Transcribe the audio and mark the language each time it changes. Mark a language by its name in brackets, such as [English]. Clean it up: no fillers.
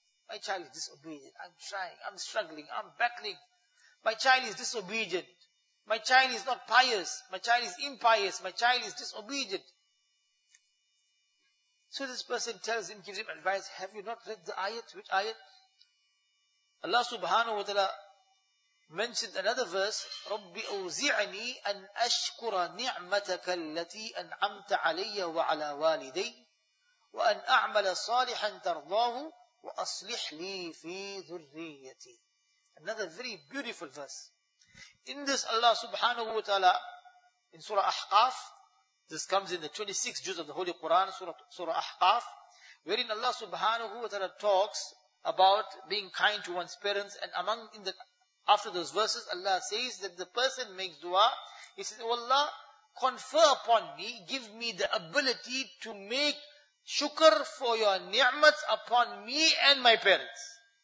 [English] My child is disobedient. I'm trying, I'm struggling, I'm battling. My child is disobedient. My child is not pious. My child is impious. My child is disobedient. So this person tells him, gives him advice, have you not read the ayat? Which ayat? Allah subhanahu wa ta'ala mentioned another verse, [Arabic] رَبِّ أَوْزِعْنِي أَنْ أَشْكُرَ نِعْمَتَكَ الَّتِي أَنْعَمْتَ عَلَيَّ وَعَلَى وَالِدَيْ وَأَنْ أَعْمَلَ صَالِحًا تَرْضَاهُ وَأَصْلِحْ لِي فِي ذُرِّيَّتِي. [English] Another very beautiful verse. In this Allah subhanahu wa ta'ala, in Surah Ahqaf, this comes in the 26th juz of the Holy Quran, Surah Ahqaf, wherein Allah subhanahu wa ta'ala talks about being kind to one's parents, and among in the after those verses, Allah says that the person makes dua, he says, oh Allah, confer upon me, give me the ability to make shukr for your ni'mats upon me and my parents.